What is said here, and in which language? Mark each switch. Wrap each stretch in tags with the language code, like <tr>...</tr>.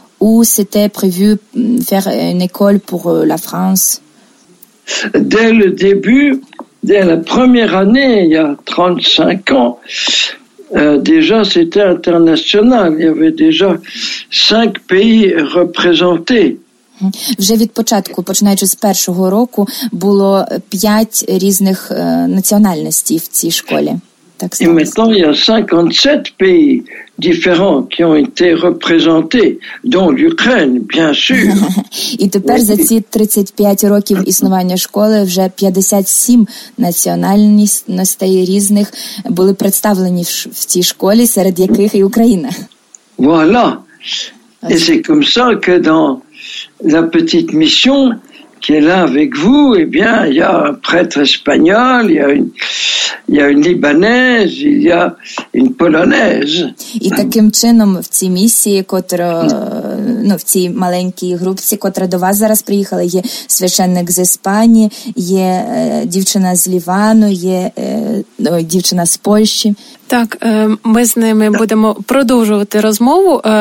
<fr>Ou c'était prévu faire une école pour la France? Dès le début, dès la première année, il y a 35 ans, déjà c'était international. Il y avait déjà 5 pays représentés.</fr> <uk>Вже від початку, починаючи з першого року, було 5 різних національностей в цій школі. Так,</uk> <fr>et maintenant, il y a 57 pays différents qui ont été représentés, dont l'Ukraine, bien sûr. Et</fr> <uk>тепер за ці 35 років існування школи вже 57 національностей різних були представлені в цій школі, серед яких і Україна.</uk> <fr>Voilà. Et c'est comme ça que dans la petite mission qui est là avec vous, eh bien, il y a un prêtre espagnol, il y a une libanaise, il y a une polonaise.</fr> <uk>І таким чином в цій місії, котра, ну, в цій маленькій групці, котра до вас зараз приїхала, є священник з Іспанії, є дівчина з Лівану, є дівчина з Польщі. Так, ми з ними будемо продовжувати розмову.</uk>